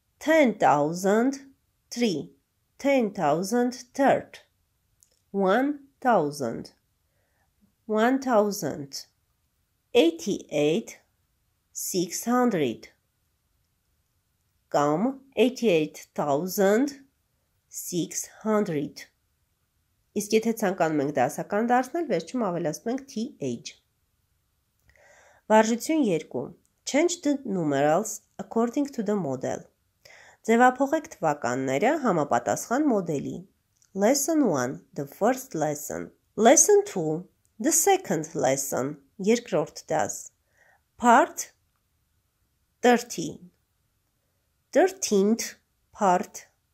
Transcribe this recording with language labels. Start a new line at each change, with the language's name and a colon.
Armenian: 10,003. 10,003, 1,000, 1,000, 88, 600 կամ 88,600 Իսկ եթե ցանկանում ենք դասական դարձնել, վերջում ավելացնում ենք TH. Վարժություն 2.
English: Change the numerals according to the model.
Armenian: Ձևափոխեք թվականները համապատասխան մոդելի.
English: Lesson 1. The first lesson. Lesson 2. The second lesson.
Armenian: Երկրորդ դաս.
English: Part 13. 13th part.